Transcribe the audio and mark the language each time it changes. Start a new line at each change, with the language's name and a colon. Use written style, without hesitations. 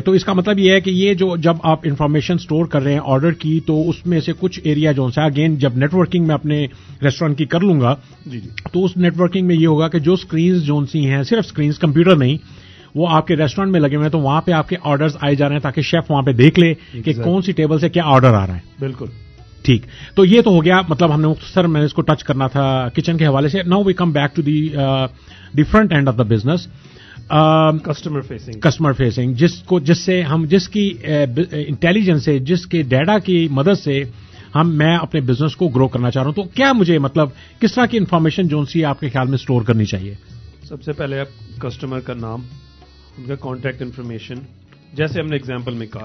Urdu: تو اس کا مطلب یہ ہے کہ یہ جو جب آپ انفارمیشن سٹور کر رہے ہیں آرڈر کی, تو اس میں سے کچھ ایریا جو سا اگین جب نیٹورکنگ میں اپنے ریسٹورینٹ کی کر لوں گا تو اس نیٹورکنگ میں یہ ہوگا کہ جو اسکرینز جو سی ہیں, صرف اسکرینز کمپیوٹر نہیں, وہ آپ کے ریسٹورینٹ میں لگے ہوئے ہیں, تو وہاں پہ آپ کے آرڈرز آئے جا رہے ہیں تاکہ شیف وہاں پہ دیکھ لے کہ کون سی ٹیبل سے کیا آرڈر آ رہا ہے. بالکل ٹھیک. تو یہ تو ہو گیا, مطلب ہم نے مختصر میں اس کو ٹچ کرنا تھا کچن کے حوالے سے.
English: now we come back to the front end of the business, customer facing
Urdu: جس کی انٹیلیجنس سے, جس کے ڈیٹا کی مدد سے میں اپنے بزنس کو گرو کرنا چاہ رہا ہوں, تو کیا مجھے مطلب کس طرح کی انفارمیشن جون سی آپ کے خیال میں سٹور کرنی چاہیے؟ سب سے پہلے آپ کسٹمر کا نام, ان کا کانٹیکٹ انفارمیشن, جیسے ہم نے ایگزامپل میں کہا